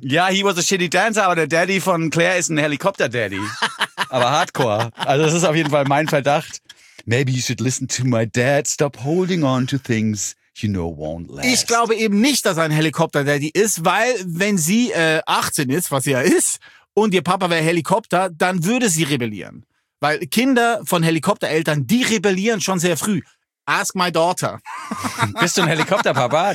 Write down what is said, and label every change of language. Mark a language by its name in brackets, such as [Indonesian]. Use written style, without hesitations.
[German] Ja, [English] he was a shitty dancer, [German] aber der Daddy von Claire ist ein Helikopter-Daddy. Aber hardcore. Also das ist auf jeden Fall mein Verdacht. [English] Maybe you should listen to my dad. Stop holding on to things you know won't last. [German] Ich glaube eben nicht, dass er ein Helikopter-Daddy ist, weil wenn sie 18 ist, was sie ja ist, und ihr Papa wäre Helikopter, dann würde sie rebellieren. Weil Kinder von Helikoptereltern, die rebellieren schon sehr früh. [English] Ask my daughter. [German] Bist du ein Helikopterpapa?